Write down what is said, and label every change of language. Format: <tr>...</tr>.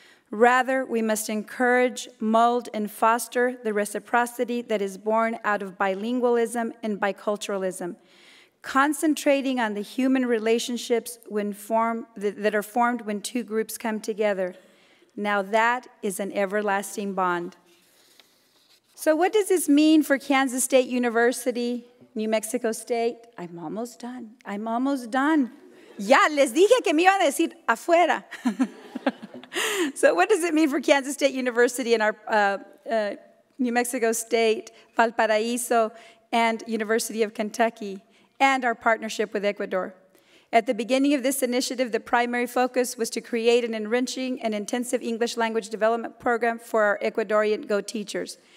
<en>Rather, we must encourage, mold, and foster the reciprocity that is born out of bilingualism and biculturalism, concentrating on the human relationships that are formed when two groups come together. Now that is an everlasting bond. So what does this mean for Kansas State University, New Mexico State? I'm almost done. I'm almost done.</en> <es>Ya, les dije que me iban a decir afuera.</es> <en>So what does it mean for Kansas State University and our New Mexico State, Valparaiso, and University of Kentucky, and our partnership with Ecuador? At the beginning of this initiative, the primary focus was to create an enriching and intensive English language development program for our Ecuadorian GO teachers.</en>